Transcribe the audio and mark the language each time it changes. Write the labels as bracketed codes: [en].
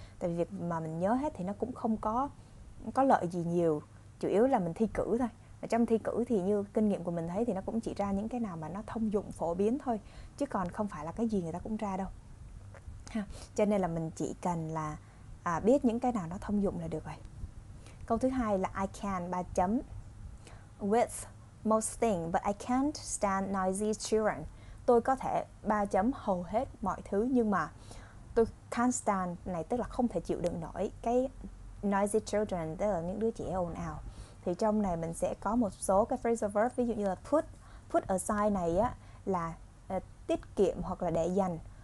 [vi] Tại vì việc mà mình nhớ hết thì nó cũng không có lợi gì nhiều. Chủ yếu là mình thi cử thôi. Và trong thi cử thì như kinh nghiệm của mình thấy thì nó cũng chỉ ra những cái nào mà nó thông dụng phổ biến thôi, chứ còn không phải là cái gì người ta cũng ra đâu ha. Cho nên là mình chỉ cần là À, biết những cái nào nó thông dụng là được rồi. Câu thứ hai là [en] I can [vi] 3 chấm. [en] With most things, but I can't stand noisy children. [vi] Tôi có thể 3 chấm hầu hết mọi thứ, nhưng mà tôi [en] can't stand [vi] này tức là không thể chịu đựng nổi cái [en] noisy children, [vi] tức là những đứa trẻ ồn ào. Thì trong này mình sẽ có một số cái phrasal verb, ví dụ như là put aside này á là tiết kiệm hoặc là để dành.